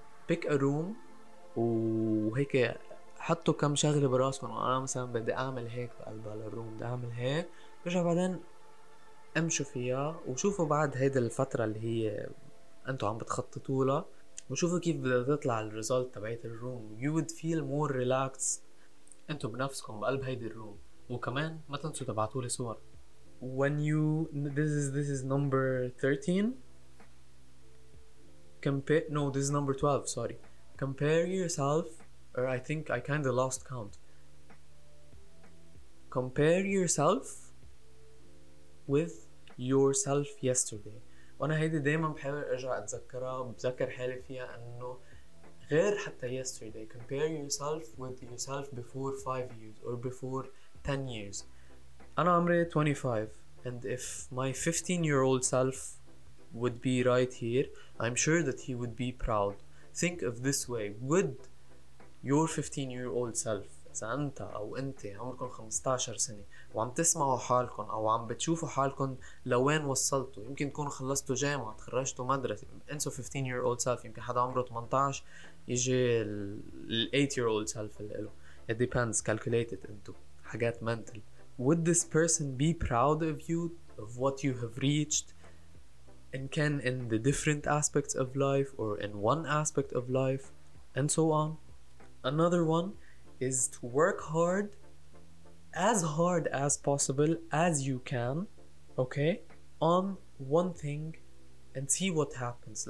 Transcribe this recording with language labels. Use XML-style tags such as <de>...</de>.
<en>Pick a room</en> <ar>وهيك حطوا كم شغلة براسكم وأنا مثلا بدي أعمل هيك بقلب على الروم بدي أعمل هيك برجع بعدين امشوا فيها وشوفوا بعد هيدا الفترة اللي هي انتو عم بتخططوا لها وشوفوا كيف بدها تطلع الريزولت تبعت الروم.</ar> <en>You would feel more relaxed</en> <ar>انتو بنفسكم بقلب هيدا الروم. وكمان ما تنسوا تبعتوا لي صور.</ar> <en>When you this is number 13 compare no this is number 12 sorry compare yourself or I think I kind of lost count compare yourself with yourself yesterday.</en> <ar>وانا هيدي دايما بحاول ارجع اتذكرها بذكر حالي فيها انه غير حتى</ar> <en>yesterday compare yourself with yourself before 5 years or before 10 years.</en> <ar>انا عمري 25</ar> <en>and if my 15 year old self would be right here I'm sure that he would be proud. Think of this way. Would your 15 year old self</en> <ar>إذا أنت أو أنت عمركم 15 سنة وعم تسمعوا حالكم أو عم بتشوفوا حالكم لوين وصلتوا، يمكن تكونوا خلصتوا جامعة، تخرجتوا مدرسة، انسوا</ar> <en>15-year-old self،</en> <ar>يمكن حدا عمره 18 يجي ال</ar> <en>8-year-old self</en> <ar>اللي له.</ar> <en>It depends, calculated</en> <ar>أنتو حاجات</ar> <en>mental. Would this person be proud of you, of what you have reached, and can in the different aspects of life or in one aspect of life and so on? Another one is to work hard as possible as you can, okay, on one thing and see what happens.</en>